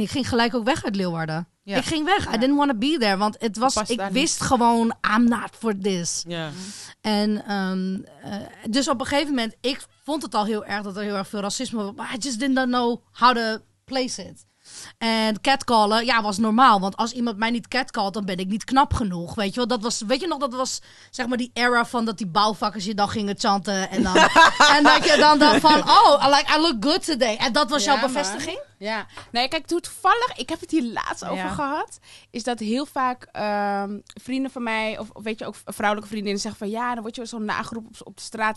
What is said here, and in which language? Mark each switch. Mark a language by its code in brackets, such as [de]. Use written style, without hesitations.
[nl] Ik ging gelijk ook weg uit Leeuwarden. Ja. Ik ging weg. Ja. [en] I didn't want to be there. [nl] Want het was. Ik wist niet. [en] Gewoon, I'm not for this. [nl] Ja. En dus op een gegeven moment, ik vond het al heel erg dat er heel erg veel racisme was. [en] Maar I just didn't know how to place it. [nl] En catcallen, ja, was normaal. Want als iemand mij niet catcallt, dan ben ik niet knap genoeg. Weet je wel, dat was, weet je nog, dat was zeg maar die era van dat die bouwvakkers je dan gingen chanten. En dan en dat je dan dacht van, oh, [en] I look good today. [nl] En dat was jouw bevestiging? Man. Ja. Nee, kijk, toevallig, ik heb het hier laatst over gehad, is dat heel vaak vrienden van mij, of weet je, ook vrouwelijke vriendinnen zeggen van, ja, dan word je zo'n nageroep op de straat.